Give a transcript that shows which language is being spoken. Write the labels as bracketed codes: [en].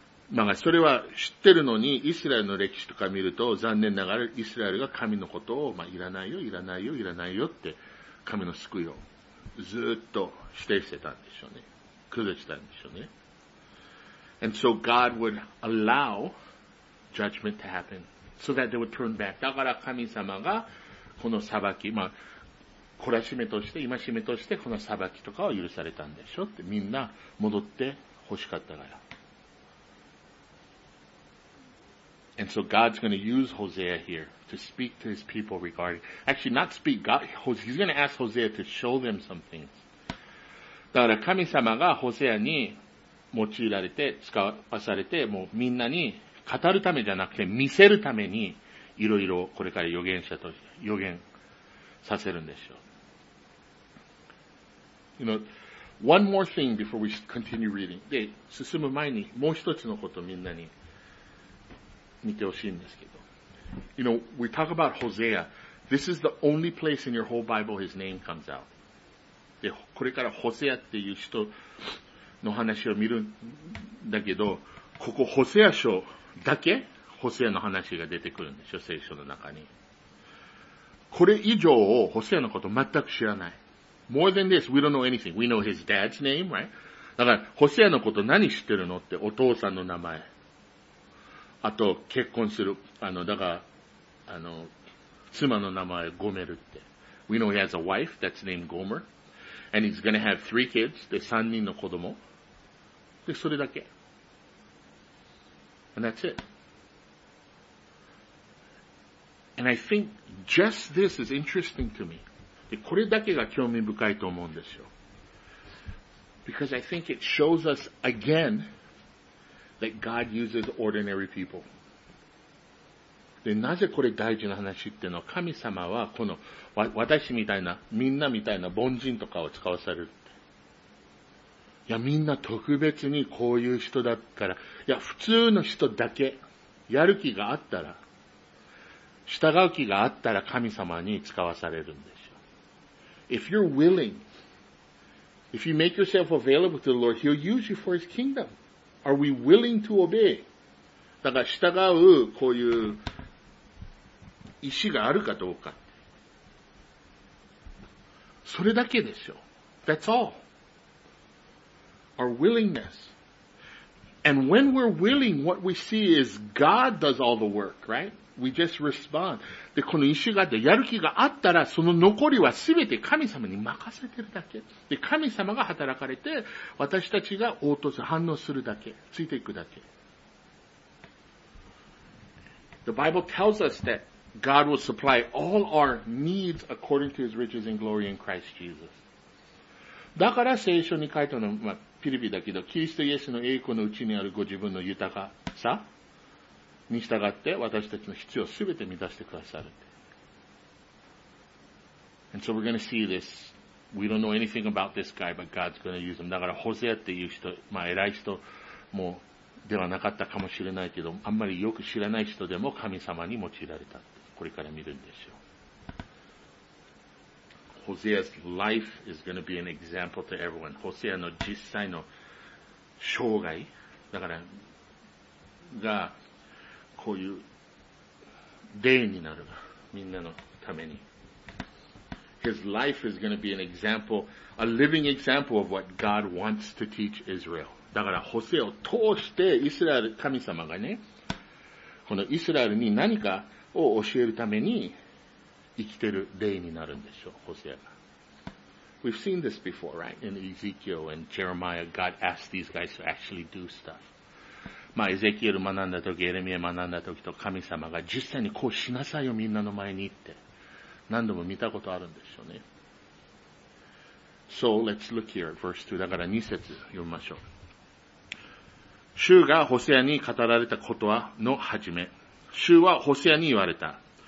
[ja] まあ、それは知ってるのに、イスラエルの歴史とか見ると、残念ながらイスラエルが神のことを、まあ、いらないよ、いらないよ、いらないよって、神の救いをずっと否定してたんでしょうね。崩したんでしょうね。 [en] And so God would allow judgment to happen so that they would turn back. [ja] だから神様がこの裁き、まあ、懲らしめとして、戒めとしてこの裁きとかを許されたんでしょって、みんな戻って欲しかったから。 [en] And so God's going to use Hosea here to speak to his people regarding, actually not speak, God, he's going to ask Hosea to show them some things. [ja] だから神様がホセアに用いられて、使わされて、もうみんなに語るためじゃなくて見せるためにいろいろこれから預言者と預言させるんでしょう。 [en] You know, one more thing before we continue reading. [ja] で、進む前にもう一つのことみんなに見てほしいんですけど。 [en] You know, we talk about Hosea. This is the only place in your whole Bible his name comes out. [ja] で、これからホセアっていう人の話を見るんだけど、ここホセア書だけホセアの話が出てくるんでしょ、聖書の中に。これ以上をホセアのこと全く知らない。 [en] More than this, we don't know anything. We know his dad's name, right? [ja] だから、ホセアのこと何知ってるのって、お父さんの名前。あと、結婚する。だから、妻の名前、ゴメルって。 [en] We know he has a wife that's named Gomer. And he's gonna have three kids. [ja] で、三人の子供。で、それだけ。 [en] And that's it. And I think just this is interesting to me. [ja] で、これだけが興味深いと思うんですよ。 [en] Because I think it shows us again,That God uses ordinary people. [ja] で、なぜこれ大事な話っていうのは、神様はこの私みたいな、みんなみたいな凡人とかを使わされるって。いや、みんな特別にこういう人だから、いや、普通の人だけ、やる気があったら、従う気があったら神様に使わされるんでしょう。 [en] If you're willing, if you make yourself available to the Lord, He'll use you for His kingdom. Are we willing to obey? [ja] だから従うこういう意思があるかどうか。それだけですよ。 [en] That's all. Our willingness. And when we're willing, what we see is God does all the work, right? We just respond. [ja] で、この意思があって、やる気があったら、その残りはすべて神様に任せてるだけ。で、神様が働かれて、私たちが応答する、反応するだけ。ついていくだけ。 [en] The Bible tells us that God will supply all our needs according to His riches and glory in Christ Jesus. [ja] だから聖書に書いたのは、まあ、ピリピだけど、キリストイエスの栄光のうちにあるご自分の豊かさに従って私たちの必要をすべて満たしてくださる。 [en] And so we're going to see this. We don't know anything about this guy, but God's going to use him. [ja] だからホセアっていう人、まあ偉い人もではなかったかもしれないけど、あんまりよく知らない人でも神様に用いられた。これから見るんですよ。 [en] Hosea's life is going to be an example to everyone. [ja] Hosea の実際の生涯だからがこういう例になるみんなのために。 [en] His life is going to be an example, a living example of what God wants to teach Israel. [ja] だからホセアを通してイスラエル神様がね、このイスラエルに何かを教えるために。生きてる例になるんでしょう、ホセアが。 [en] We've seen this before, right? In Ezekiel and Jeremiah, God asked these guys to actually do stuff. [ja] まあ、エゼキエル学んだ時、エレミエ学んだ時と神様が実際にこうしなさいよ、みんなの前にって。何度も見たことあるんでしょうね。 [en] So, let's look here at verse 2. [ja] だから2節読みましょう。主がホセアに語られたことはの始め。主はホセアに言われた。